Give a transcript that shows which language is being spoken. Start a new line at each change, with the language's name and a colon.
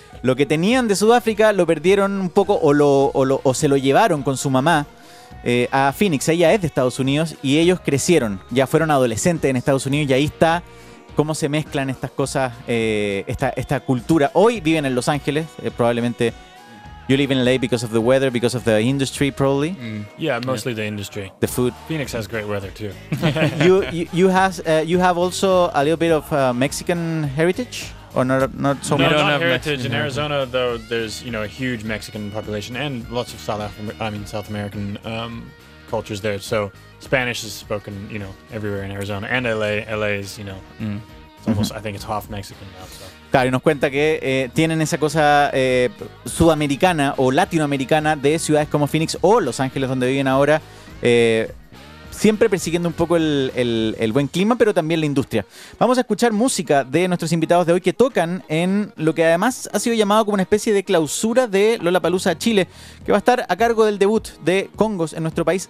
Spanish: Lo que tenían de Sudáfrica lo perdieron un poco o se lo llevaron con su mamá. A Phoenix, ella es de Estados Unidos y ellos crecieron, ya fueron adolescentes en Estados Unidos y ahí está cómo se mezclan estas cosas, esta cultura. Hoy viven en Los Ángeles, probablemente.
English: You live in LA because of the weather, because of the industry, probably. Mm. Yeah, mostly the industry. The food. Phoenix has great weather too. you have also a little bit of Mexican heritage. Or not so no, much. No, not heritage. In Arizona, though, there's, you know, a huge Mexican population and lots of South American cultures there. So Spanish is spoken, you know, everywhere in Arizona. And LA. LA is, you know, it's almost, mm-hmm. I think it's half Mexican now. So.
Spanish: Claro, y nos cuenta que tienen esa cosa sudamericana o latinoamericana de ciudades como Phoenix o Los Ángeles, donde viven ahora. Siempre persiguiendo un poco el buen clima, pero también la industria. Vamos a escuchar música de nuestros invitados de hoy que tocan en lo que además ha sido llamado como una especie de clausura de Lollapalooza Chile, que va a estar a cargo del debut de Congos en nuestro país.